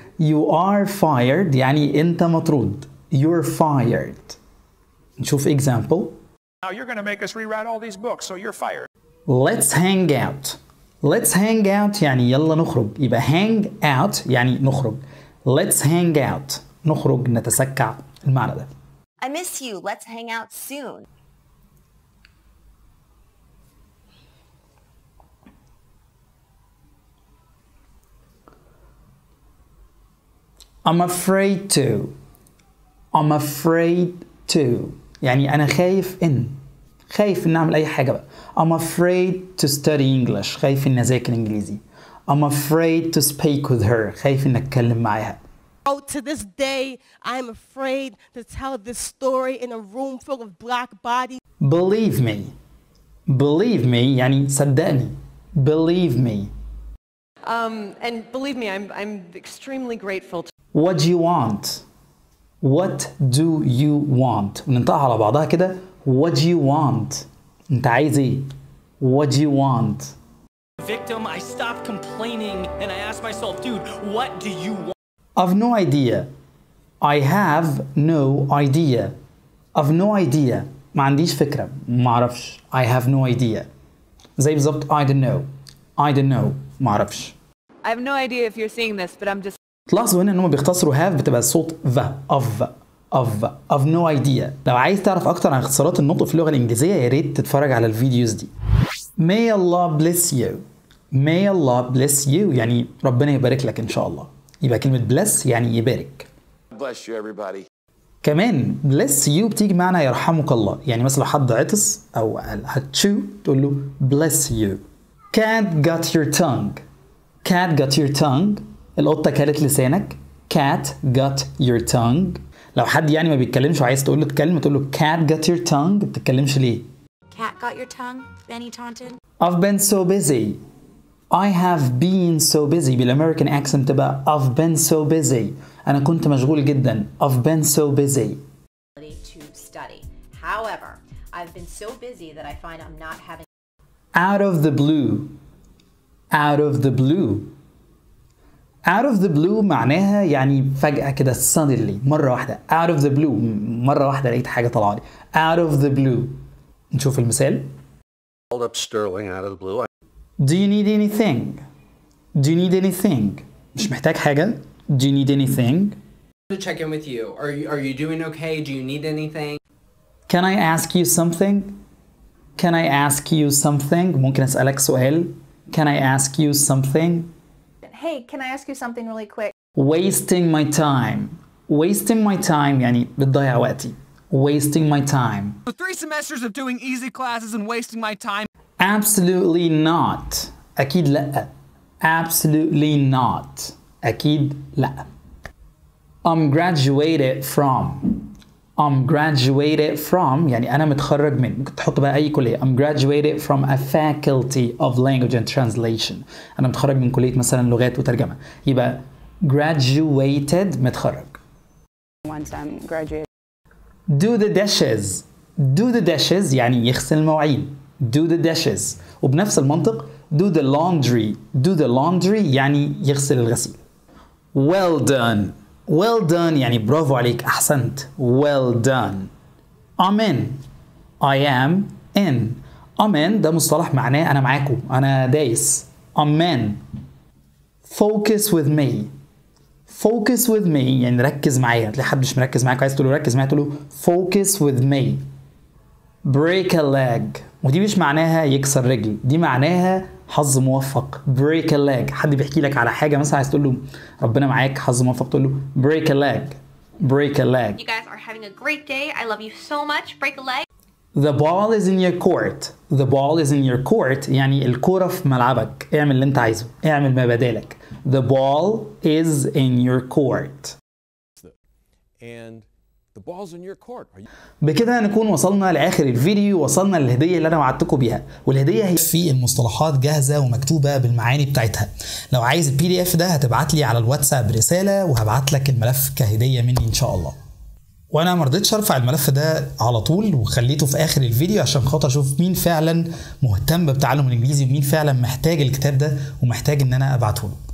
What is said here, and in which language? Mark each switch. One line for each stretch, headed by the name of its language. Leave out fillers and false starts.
English: You are fired
Arabic: يعني أنت مطرود.
English: You're fired. نشوف example. Now you're going to make us rewrite all these books, so you're fired. Let's hang out. Let's hang out
Arabic: يعني يلا نخرج. يبقى hang out يعني نخرج.
English: Let's hang out.
Arabic: نخرج نتسكع المعنى ده.
English: I miss you. Let's hang out soon. I'm afraid to. I'm afraid to.
Arabic: يعني أنا خايف إن. خايف ان اعمل اي حاجه بقى.
English: I'm afraid to study English.
Arabic: خايف ان اذاكر انجليزي.
English: I'm afraid to speak with her.
Arabic: خايف ان اتكلم معاها.
English: Oh, to this day I'm afraid to tell this story in a room full of black bodies. Believe me. Believe me
Arabic: يعني صدقني.
English: Believe me. And believe me I'm extremely grateful to... What do you want? What do you want?
Arabic: وننطقها على بعضها كده.
English: What do you want?
Arabic: انت عايز ايه؟
English: What do you want? Victim, I stopped complaining and I asked myself, dude, what do you want? I've no idea. I have no idea. I've no idea.
Arabic: ما عنديش فكرة. ما عرفش.
English: I have no idea.
Arabic: زي بالظبط
English: I don't know. I don't know.
Arabic: ما عرفش.
English: I have no idea if you're seeing this, but I'm just...
Arabic: تلاحظوا هنا ان هم بيختصروا have بتبقى صوت v of.
English: Of no idea.
Arabic: لو عايز تعرف اكتر عن اختصارات النطق في اللغة الانجليزية ياريت تتفرج على الفيديوز دي.
English: May Allah bless you. May Allah bless you
Arabic: يعني ربنا يبارك لك ان شاء الله. يبقى كلمة bless يعني يبارك.
English: Bless you everybody.
Arabic: كمان bless you بتيجي معنى يرحمك الله. يعني مثلا حد عطس او هتشو تقول له bless you.
English: Cat got your tongue. Cat got your tongue.
Arabic: القطة كلت لسانك.
English: Cat got your tongue.
Arabic: لو حد يعني ما بيتكلمش وعايز تقول له تكلم تقول له
English: cat got your tongue.
Arabic: بتتكلمش ليه؟
English: cat got your tongue. Benny taunted. I've been so busy. I have been so busy.
Arabic: بالامريكان اكسنت تبقى
English: I've been so busy.
Arabic: انا كنت مشغول جدا.
English: I've been so busy. to study. However, I've been so busy that I find I'm not having out of the blue. Out of the blue. Out of the blue
Arabic: معناها يعني فجأة كده suddenly مرة واحدة.
English: Out of the blue
Arabic: مرة واحدة لقيت حاجة طلع لي.
English: Out of the blue.
Arabic: نشوف المثال.
English: Hold up Sterling out of the blue. Do you need anything? Do you need anything?
Arabic: مش محتاج حاجة.
English: Do you need anything? To check in with you. Are you doing okay? Do you need anything? Can I ask you something? Can I ask you something?
Arabic: ممكن أسألك سؤال.
English: Can I ask you something? Hey, can I ask you something really quick? Wasting my time. Wasting my time
Arabic: يعني بتضيع وقتي.
English: Wasting my time. For three semesters of doing easy classes and wasting my time. Absolutely not.
Arabic: أكيد لا.
English: Absolutely not.
Arabic: أكيد لا.
English: I'm graduated from. I'm graduated from.
Arabic: يعني أنا متخرج من. ممكن تحط بقى أي كلية.
English: I'm graduated from a faculty of language and translation.
Arabic: أنا متخرج من كلية مثلا لغات وترجمة. يبقى graduated متخرج.
English: Once I'm graduated. Do the dishes. Do the dishes
Arabic: يعني يغسل المواعين.
English: Do the dishes.
Arabic: وبنفس المنطق
English: do the laundry. Do the laundry
Arabic: يعني يغسل الغسيل.
English: Well done. Well done
Arabic: يعني برافو عليك أحسنت.
English: Well done. I'm in. I am in. I'm in
Arabic: ده مصطلح معناه أنا معاكم. أنا دايس.
English: I'm in. Focus with me. Focus with me
Arabic: يعني ركز معي. هتلاقي حد مش مركز معاك عايز تقول له ركز معي تقول له focus with me. Break a leg. ودي مش معناها يكسر رجل. دي معناها حظ موفق. Break a leg. حد بيحكي لك على حاجة مثلا عايز تقول له ربنا معاك حظ موفق تقول له
English: break a leg. Break a leg. You guys are having a great day. I love you so much. Break a leg. The ball is in your court. The ball is in your court.
Arabic: يعني الكرة في ملعبك. اعمل اللي انت عايزه. اعمل ما بدالك.
English: The ball is in your court. And the ball's in your court.
Arabic: بكده هنكون وصلنا لآخر الفيديو وصلنا للهدية اللي أنا وعدتكم بيها. والهدية هي في المصطلحات جاهزة ومكتوبة بالمعاني بتاعتها. لو عايز الـ PDF ده هتبعت لي على الواتساب رسالة وهبعت لك الملف كهدية مني إن شاء الله. وانا مرضيتش ارفع الملف ده على طول وخليته في اخر الفيديو عشان خاطر اشوف مين فعلا مهتم بتعلم الانجليزي ومين فعلا محتاج الكتاب ده ومحتاج ان انا ابعته له.